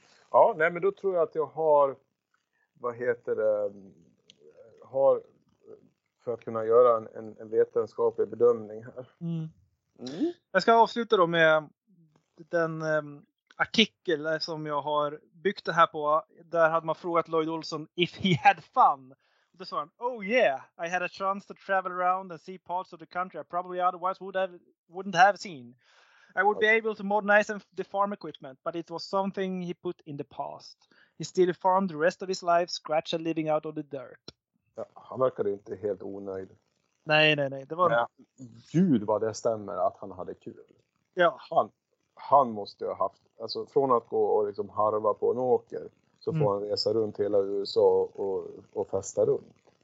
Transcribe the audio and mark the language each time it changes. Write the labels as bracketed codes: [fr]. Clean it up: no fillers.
[sv] Ja, nej, men då tror jag att jag har, vad heter det, har för att kunna göra en vetenskaplig bedömning här. Mm. Mm. Jag ska avsluta då med den artikel som jag har byggt det här på. Där hade man frågat Lloyd Olson if he had fun. [en] Då sa han, oh yeah, I had a chance to travel around and see parts of the country I probably otherwise wouldn't have seen. I would be able to modernize the farm equipment, but it was something he put in the past. He still farmed the rest of his life, scratch and living out of the dirt. [sv] Ja, han verkade inte helt onöjd. Nej. Det var... Men gud vad det stämmer att han hade kul. Ja. Han måste ha haft, alltså från att gå och liksom harva på en åker, så får han resa runt hela USA och festa runt.